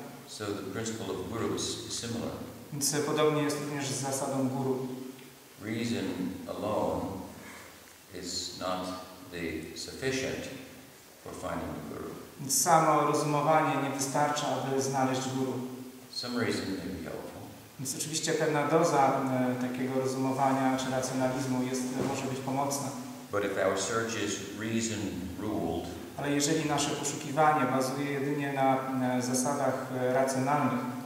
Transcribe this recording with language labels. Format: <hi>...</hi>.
<en>So the principle of guru is similar.</en> <pl>Więc podobnie jest również z zasadą guru.</pl> <en>Reason alone is not the sufficient for finding the guru.</en> <pl>Samo rozumowanie nie wystarcza, aby znaleźć guru.</pl> <en>Some reason may be helpful.</en> <pl>Więc oczywiście pewna doza takiego rozumowania czy racjonalizmu jest może być pomocna.</pl> <en>But if our search is reason ruled,</en> <pl>ale jeżeli nasze poszukiwanie bazuje jedynie na zasadach racjonalnych,</pl>